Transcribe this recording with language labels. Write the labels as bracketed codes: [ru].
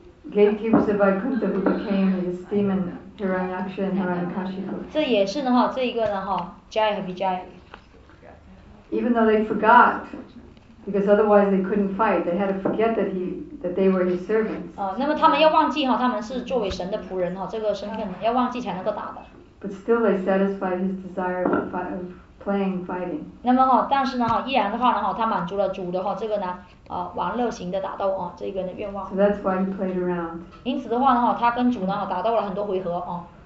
[en] Gatekeepers of Vaikuntha who became his demon Hiranyaksha and Hiranyakashipu. [zh] 这也是呢哈，这一个呢哈 ，Jaya 和 Vijaya. [en] Even though they forgot, because otherwise they couldn't fight, they had to forget that they were his servants. [zh] 哦，那么他们要忘记哈，他们是作为神的仆人哈，这个身份要忘记才能够打的。 [en] But still, they satisfied his desire of playing fighting. [zh] 那么哈，但是呢哈，依然的话呢哈，他满足了主的哈这个呢。啊，玩乐型的打斗啊，这个人的愿望。 [en] So that's why he played around. [zh] 因此的话呢，他跟主呢打斗了很多回合啊。